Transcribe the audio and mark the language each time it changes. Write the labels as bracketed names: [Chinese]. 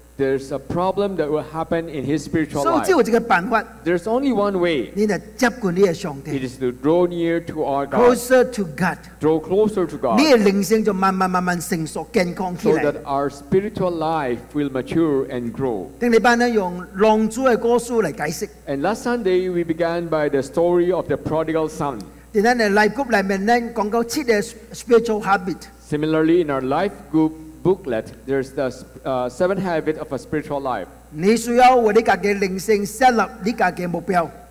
[English] There's a problem that will happen in his spiritual life. [Min Nan Chinese] 所以只有这个办法。 [English] There's only one way. [Min Nan Chinese] 你得接近你的上帝。 [English] It is to draw near to our God. Closer to God. Draw closer to God. [Min Nan Chinese] 你的灵性就慢慢慢慢成熟，健康起来。 [English] So that our spiritual life will mature and grow. [Min Nan Chinese] 顶礼拜呢，用浪子的故事来解释。 [English] And last Sunday we began by the story of the prodigal son. [Min Nan Chinese] 在咱的life group里面呢，讲到七个 spiritual habit. [English] Similarly, in our life group booklet, there's the seven habits of a spiritual life. [Min Nan Chinese] 你需要为你自己灵性 set up 你自己的目标。